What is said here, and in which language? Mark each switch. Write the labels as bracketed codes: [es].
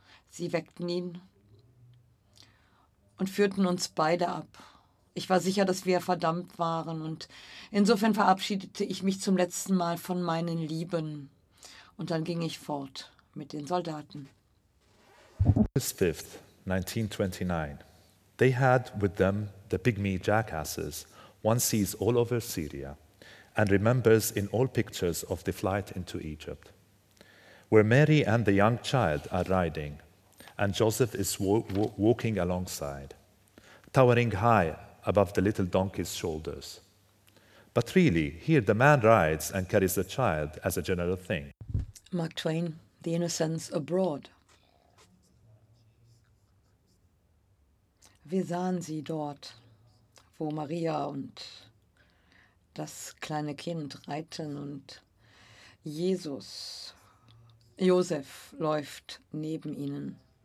[de] Sie weckten ihn und führten uns beide ab. Ich war sicher, dass wir verdammt waren. Und insofern verabschiedete ich mich zum letzten Mal von meinen Lieben. Und dann ging ich fort mit den Soldaten. [en] August 5th, 1929. They had with them the pygmy jackasses one sees all over Syria and remembers in all pictures of the flight into Egypt, where Mary and the young child are riding, and Joseph is walking alongside, towering high above the little donkey's shoulders. But really, here the man rides and carries the child as a general thing. Mark Twain, The Innocents Abroad. [de] Wir sahen sie dort, wo Maria und das kleine Kind reiten und Jesus, Josef läuft neben ihnen.